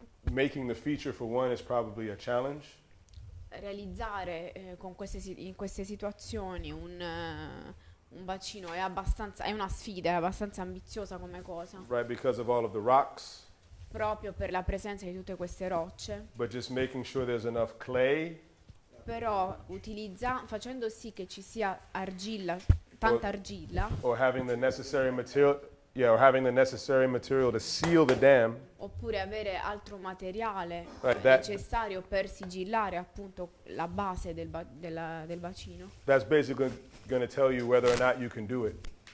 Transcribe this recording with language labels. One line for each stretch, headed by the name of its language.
English: making the feature for one is probably a challenge.
Italian: Realizzare in queste situazioni un bacino è una sfida, è abbastanza ambiziosa come cosa.
English: Right, because of all of the rocks.
Italian: Proprio per la presenza di tutte queste rocce.
English: But just making sure there's enough clay.
Italian: Però facendo sì che ci sia argilla, tanta argilla.
English: Or having the necessary material. Yeah, or having the necessary material to seal the dam.
Italian: Oppure avere altro materiale necessario per sigillare appunto la base del bacino.
English: That's basically going to tell you whether or not you can do it.